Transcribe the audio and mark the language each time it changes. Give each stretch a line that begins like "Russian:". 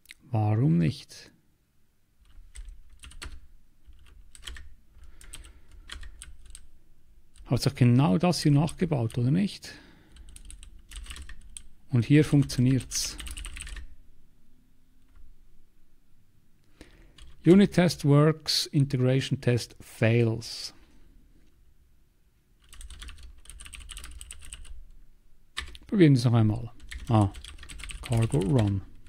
German: Warum nicht? Hat doch genau das hier nachgebaut, oder nicht? Und hier funktioniert's.
English: Unit Test works, Integration Test fails.
German: Probieren wir es noch einmal. Ah, Cargo Run.